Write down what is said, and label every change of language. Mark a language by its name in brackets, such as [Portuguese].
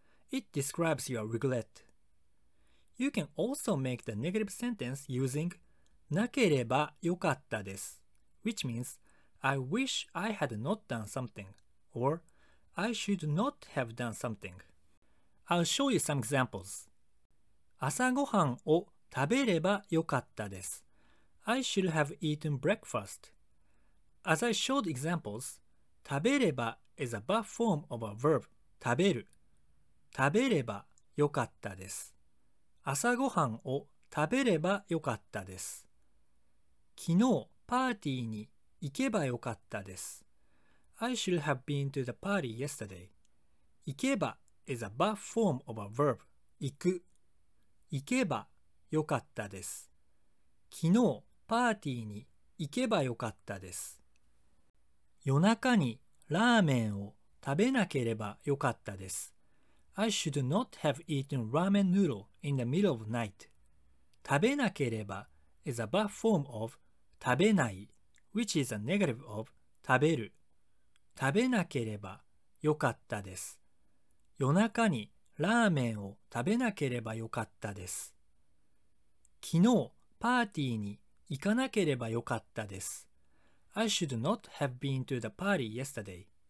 [English] It describes your regret. You can also make the negative sentence using [Japanese] nakereba yokatta desu, [English] which means,I wish I had not done something, or I should not have done something. I'll show you some examples. [Japanese] 朝ごはんを食べればよかったです。 [English] I should have eaten breakfast. As I showed examples, 食べれば is a ba form of a verb, 食べる。 [Japanese] 食べればよかったです。朝ごはんを食べればよかったです。昨日パーティーに行けばよかったです。 [English] I should have been to the party yesterday. 行けば is a ba form of a verb. 行く。 [Japanese] 行けばよかったです。昨日パーティーに行けばよかったです。夜中にラーメンを食べなければよかったです。 [English] I should not have eaten ramen noodle in the middle of night. 食べなければ is a ba form of 食べない。 Which is a negative of 食べる。 [Japanese] 食べなければよかったです。夜中にラーメンを食べなければよかったです。昨日パーティーに行かなければよかったです。 [English] I should not have been to the party yesterday.